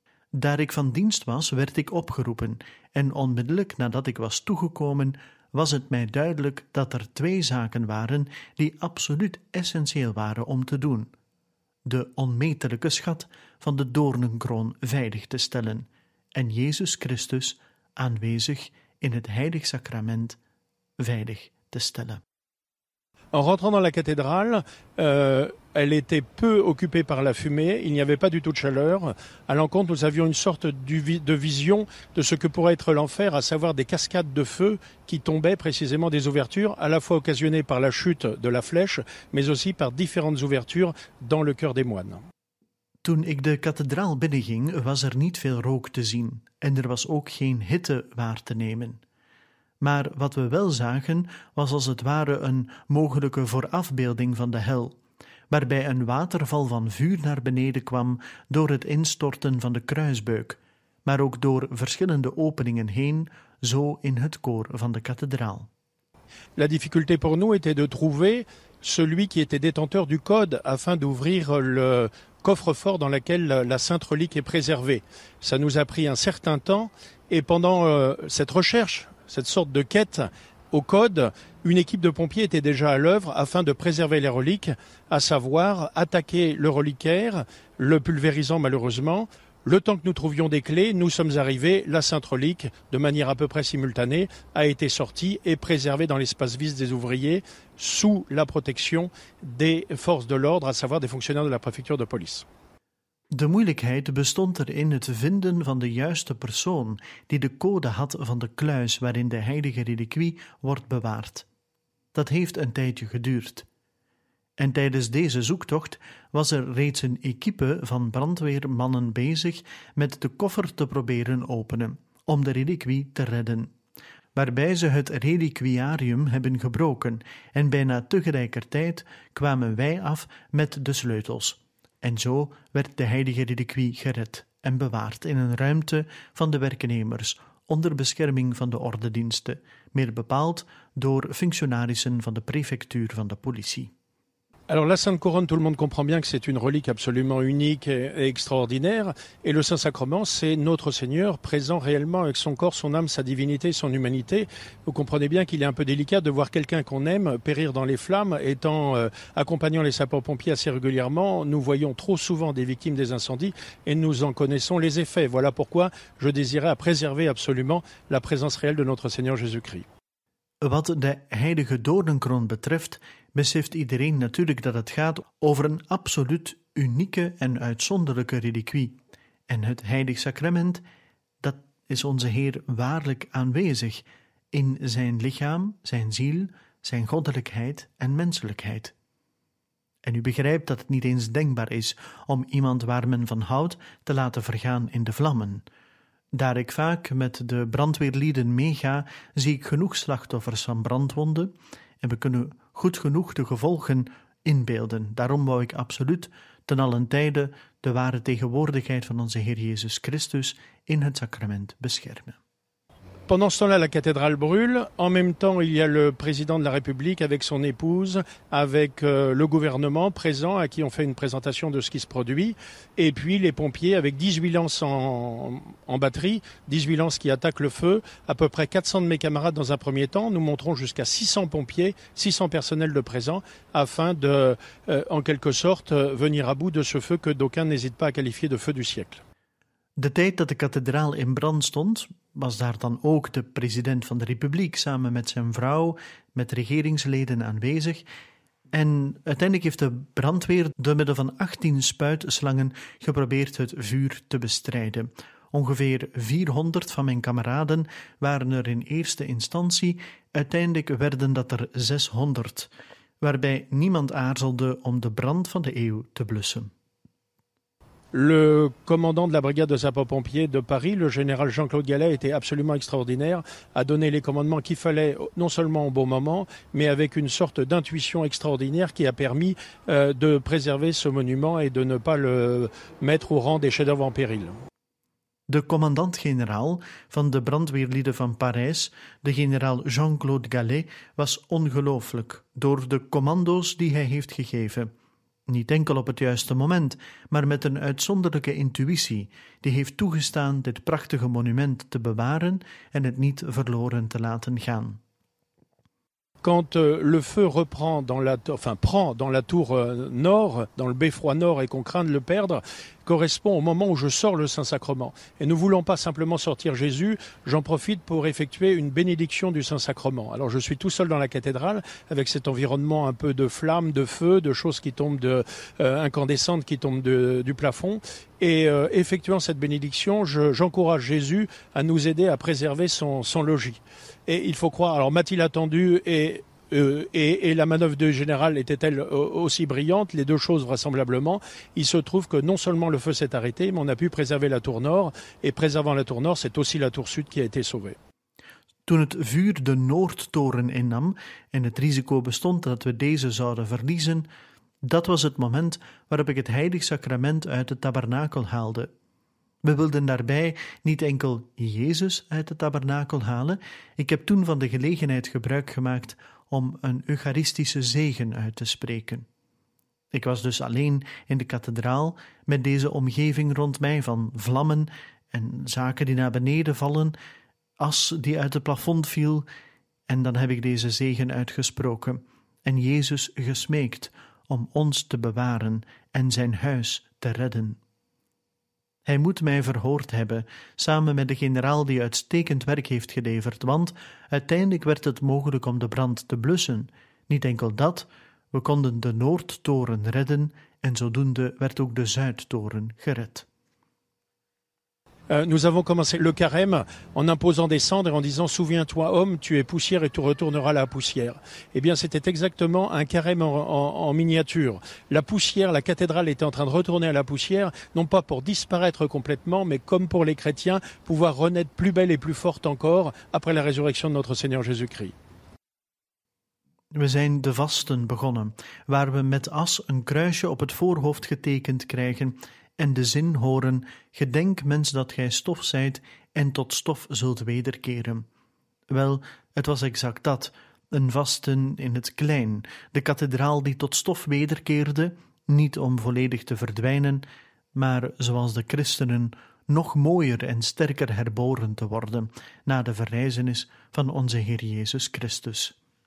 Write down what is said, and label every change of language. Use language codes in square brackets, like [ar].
[nl] Daar ik van dienst was, werd ik opgeroepen en onmiddellijk nadat ik was toegekomen, was het mij duidelijk dat er twee zaken waren die absoluut essentieel waren om te doen. De onmetelijke schat van de doornenkroon veilig te stellen en Jezus Christus aanwezig in het heilig sacrament veilig te stellen. [fr] En rentrant dans la cathédrale, elle était peu occupée par la fumée, il n'y avait pas du tout de chaleur. À l'encontre, nous avions une sorte de vision de ce que pourrait être l'enfer, à savoir des cascades de feu qui tombaient précisément des ouvertures, à la fois occasionnées par la chute de la flèche, mais aussi par différentes ouvertures dans le cœur des moines. [nl] Toen ik de kathedraal binnenging, was er niet veel rook te zien en er was ook geen hitte waar te nemen. Maar wat we wel zagen, was als het ware een mogelijke voorafbeelding van de hel, waarbij een waterval van vuur naar beneden kwam door het instorten van de kruisbeuk, maar ook door verschillende openingen heen, zo in het koor van de kathedraal. [fr] La difficulté pour nous était de trouver celui qui était détenteur du code afin d'ouvrir le coffre-fort dans lequel la sainte relique est préservée. Ça nous a pris un certain temps et pendant cette recherche, cette sorte de quête au code, une équipe de pompiers était déjà à l'œuvre afin de préserver les reliques, à savoir attaquer le reliquaire, le pulvérisant malheureusement, Le temps que nous trouvions des clés, nous sommes arrivés, la sainte relique, de manière à peu près simultanée, a été sortie et préservée dans l'espace vis des ouvriers sous la protection des forces de l'ordre, à savoir des fonctionnaires de la préfecture de police. [nl] De moeilijkheid bestond erin het vinden van de juiste persoon die de code had van de kluis waarin de heilige reliquie wordt bewaard. Dat heeft een tijdje geduurd. En tijdens deze zoektocht was er reeds een equipe van brandweermannen bezig met de koffer te proberen openen, om de reliquie te redden. Waarbij ze het reliquiarium hebben gebroken en bijna tegelijkertijd kwamen wij af met de sleutels. En zo werd de heilige reliquie gered en bewaard in een ruimte van de werknemers, onder bescherming van de ordendiensten, meer bepaald door functionarissen van de prefectuur van de politie. [fr] Alors la Sainte Couronne, tout le monde comprend bien que c'est une relique absolument unique et extraordinaire. Et le Saint-Sacrement, c'est notre Seigneur présent réellement avec son corps, son âme, sa divinité, son humanité. Vous comprenez bien qu'il est un peu délicat de voir quelqu'un qu'on aime périr dans les flammes. Étant accompagnant les sapeurs-pompiers assez régulièrement, nous voyons trop souvent des victimes des incendies et nous en connaissons les effets. Voilà pourquoi je désirais préserver absolument la présence réelle de notre Seigneur Jésus-Christ. [nl] Wat de heilige Dodenkroon betreft, beseft iedereen natuurlijk dat het gaat over een absoluut unieke en uitzonderlijke reliquie. En het heilig sacrament, dat is onze Heer waarlijk aanwezig in zijn lichaam, zijn ziel, zijn goddelijkheid en menselijkheid. En u begrijpt dat het niet eens denkbaar is om iemand waar men van houdt te laten vergaan in de vlammen. Daar ik vaak met de brandweerlieden meega, zie ik genoeg slachtoffers van brandwonden en we kunnen goed genoeg de gevolgen inbeelden. Daarom wou ik absoluut ten allen tijde de ware tegenwoordigheid van onze Heer Jezus Christus in het sacrament beschermen. [fr] Pendant ce temps-là, la cathédrale brûle. En même temps, il y a le président de la République avec son épouse, avec le gouvernement présent, à qui on fait une présentation de ce qui se produit. Et puis les pompiers avec 18 lances en batterie, 18 lances qui attaquent le feu. À peu près 400 de mes camarades dans un premier temps. Nous montrons jusqu'à 600 pompiers, 600 personnels de présent, afin de, en quelque sorte, venir à bout de ce feu que d'aucuns n'hésitent pas à qualifier de feu du siècle. [nl] De tijd dat de kathedraal in brand stond, was daar dan ook de president van de Republiek samen met zijn vrouw, met regeringsleden aanwezig. En uiteindelijk heeft de brandweer door middel van 18 spuitslangen geprobeerd het vuur te bestrijden. Ongeveer 400 van mijn kameraden waren er in eerste instantie, uiteindelijk werden dat er 600, waarbij niemand aarzelde om de brand van de eeuw te blussen. [fr] Le commandant de la brigade de sapeurs-pompiers de Paris, le général Jean-Claude Gallet, était absolument extraordinaire, a donné les commandements qu'il fallait non seulement au bon moment, mais avec une sorte d'intuition extraordinaire qui a permis de préserver ce monument et de ne pas le mettre au rang des chefs-d'œuvre en péril. [nl] De commandant-général van de brandweerlieden van Parijs, de generaal Jean-Claude Gallet, was ongelooflijk door de commando's die hij heeft gegeven. Niet enkel op het juiste moment, maar met een uitzonderlijke intuïtie die heeft toegestaan dit prachtige monument te bewaren en het niet verloren te laten gaan. [fr] Quand le feu reprend dans la prend dans la tour nord, dans le beffroi nord et qu'on craint de le perdre, correspond au moment où je sors le Saint-Sacrement. Et nous ne voulons pas simplement sortir Jésus, j'en profite pour effectuer une bénédiction du Saint-Sacrement. Alors je suis tout seul dans la cathédrale, avec cet environnement un peu de flammes, de feu, de choses qui tombent, incandescentes qui tombent du plafond. Et effectuant cette bénédiction, j'encourage Jésus à nous aider à préserver son logis. Et il faut croire, alors m'a-t-il attendu et la manœuvre du général était-elle aussi brillante? Les deux choses vraisemblablement. Il se trouve que non seulement le feu s'est arrêté, mais on a pu préserver la tour nord. Et préservant la tour nord, c'est aussi la tour sud qui a été sauvée. [nl] Toen het vuur de Noordtoren innam en het risico bestond dat we deze zouden verliezen, dat was het moment waarop ik het heilig sacrament uit de tabernakel haalde. We wilden daarbij niet enkel Jezus uit de tabernakel halen. Ik heb toen van de gelegenheid gebruik gemaakt om een eucharistische zegen uit te spreken. Ik was dus alleen in de kathedraal met deze omgeving rond mij van vlammen en zaken die naar beneden vallen, as die uit het plafond viel, en dan heb ik deze zegen uitgesproken en Jezus gesmeekt om ons te bewaren en zijn huis te redden. Hij moet mij verhoord hebben, samen met de generaal die uitstekend werk heeft geleverd, want uiteindelijk werd het mogelijk om de brand te blussen. Niet enkel dat, we konden de Noordtoren redden en zodoende werd ook de Zuidtoren gered. [fr] Nous avons commencé le carême en imposant des cendres et en disant « Souviens-toi, homme, tu es poussière et tu retourneras la poussière ». Eh bien, c'était exactement un carême en miniature. La poussière, la cathédrale était en train de retourner à la poussière, non pas pour disparaître complètement, mais comme pour les chrétiens, pouvoir renaître plus belle et plus forte encore après la résurrection de notre Seigneur Jésus-Christ. [nl] We zijn de vasten begonnen, waar we met as een kruisje op het voorhoofd getekend krijgen en de zin horen, gedenk mens dat gij stof zijt en tot stof zult wederkeren. Wel, het was exact dat, een vasten in het klein, de kathedraal die tot stof wederkeerde, niet om volledig te verdwijnen, maar zoals de christenen, nog mooier en sterker herboren te worden, na de verrijzenis van onze Heer Jezus Christus.